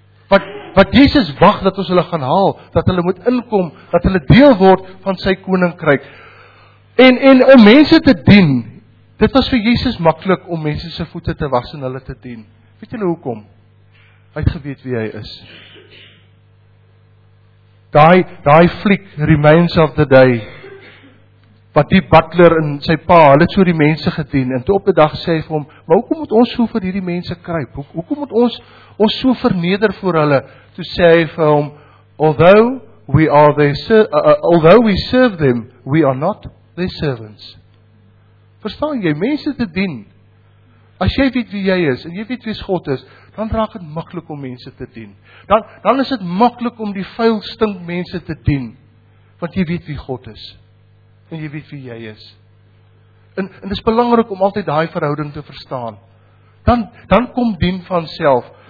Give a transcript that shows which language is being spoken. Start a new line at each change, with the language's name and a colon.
Afrikaans: wat Jesus wag dat ons hulle gaan haal, dat hulle moet inkom, dat hulle deel word van sy koninkryk, en om mense te dien, dit was vir Jesus makkelijk om mense se voete te was en hulle te dien, weet julle hoekom? Hy het geweet wie hy is. Daai fliek, Remains of the Day, wat die butler en sy pa, hulle het so die mense gedien, en toe op die dag sê hy vir hom, maar hoekom moet ons so vir die mense kruip? Hoekom moet ons so verneder vir hulle? Toe sê hy vir hom,
English: although we serve them, we are not their servants.
Afrikaans: Verstaan jy, mense te dien, as jy weet wie jy is, en jy weet wie God is, dan raak het makkelijk om mense te dien. Dan is het makkelijk om die vuil stink mense te dien, want jy weet wie God is, en jy weet wie jy is. En het is belangrijk om altyd die verhouding te verstaan. Dan kom dien vanself.